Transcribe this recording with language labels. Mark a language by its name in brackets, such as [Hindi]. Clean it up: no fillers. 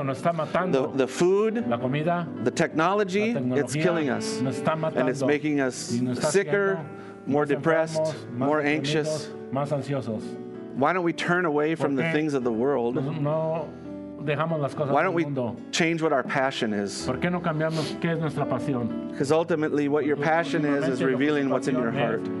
[English] us. [Spanish] Nos está matando. [English] The food, [Spanish] la comida, [English] the technology, [Spanish] la tecnología, [English] it's killing us. [Spanish] Nos está matando. [English] And it's making us sicker, [Spanish] haciendo, [English] more depressed, [Spanish] enfermos, [English] more anxious. [Spanish] Más ansiosos. [English] Why don't we turn away from the things of the world? [Spanish] No dejamos las cosas [English] why don't [Spanish] del mundo? [English] We change what our passion is? [Spanish] ¿Por qué no cambiamos qué es nuestra pasión? [English] Because ultimately what your passion is revealing what's in your heart.